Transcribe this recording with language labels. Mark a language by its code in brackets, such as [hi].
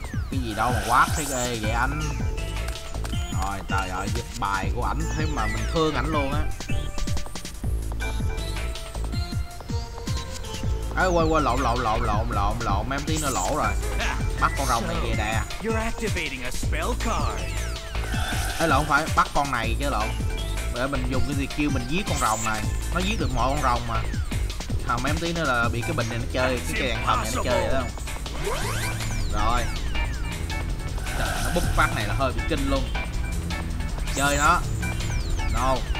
[vi] Cái gì đâu mà quát thế ghê vậy anh. Rồi trời ơi, dịch bài của ảnh thế mà mình thương ảnh luôn á. Ê, quên quên, lộn, mấy tiếng nó lỗ rồi. Bắt con rồng này kìa nè. [en] You're activating a spell card. [vi] Ê lộn, phải bắt con này chứ lộn. Để mình dùng cái gì kêu mình giết con rồng này. Nó giết được mọi con rồng mà. Thằng mấy tiếng nó là bị cái bình này nó chơi. Cái cây đèn thần này nó chơi vậy không. Rồi. Trời, nó búp phát này là hơi bị kinh luôn. Chơi nó. No.